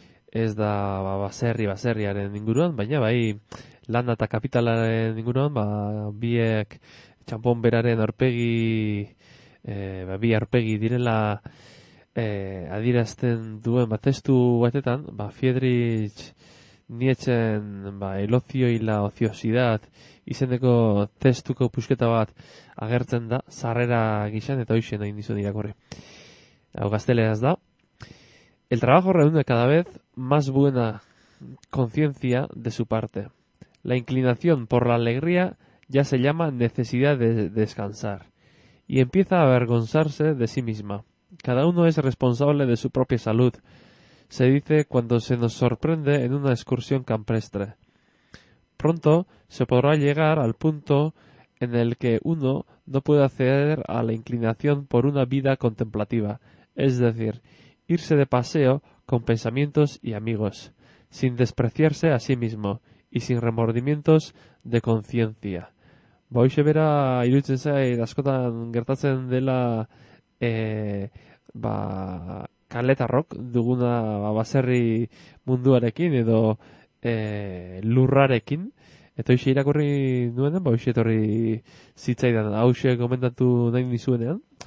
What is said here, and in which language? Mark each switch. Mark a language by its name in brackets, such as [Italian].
[Basque] ez da ba, baserriaren inguruan, baina bai landa eta kapitalaren inguruan, ba biek txampon beraren aurpegi ba bi aurpegi direla adierazten duen ba testu batetan, ba Friedrich Nietzschen ba el ocio y la ociosidad izeneko testuko pusketa bat agertzen da sarrera gisan eta hoixe nahi dizu irakurri. Hau gazteleraz da. [Spanish] El trabajo reúne cada vez más buena conciencia de su parte. La inclinación por la alegría ya se llama necesidad de descansar y empieza a avergonzarse de sí misma. Cada uno es responsable de su propia salud, se dice cuando se nos sorprende en una excursión campestre. Pronto se podrá llegar al punto en el que uno no puede acceder a la inclinación por una vida contemplativa, es decir, irse de paseo con pensamientos y amigos, sin despreciarse a sí mismo y sin remordimientos de conciencia. [Basque] Boixe bera iruditzen zait askotan gertatzen dela ba kaletarrok duguna ba baserri munduarekin edo lurrarekin eta hoxe irakurri duen ba hoxe etorri zitzaidan hoxe komentatu nahi nizuenean